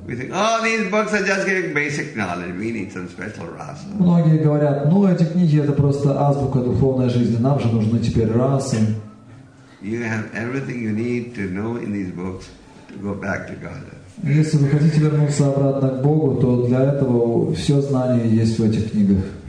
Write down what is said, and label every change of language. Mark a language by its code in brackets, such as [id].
[en] We think, oh, these books are just giving basic knowledge. We need some special rasa. [ru] Многие говорят, ну эти книги это просто азбука духовной жизни. Нам же нужны теперь расы. [en] You have everything you need to know in these books to go back to God. [ru] Если вы хотите вернуться обратно к Богу, то для этого все знание есть в этих книгах.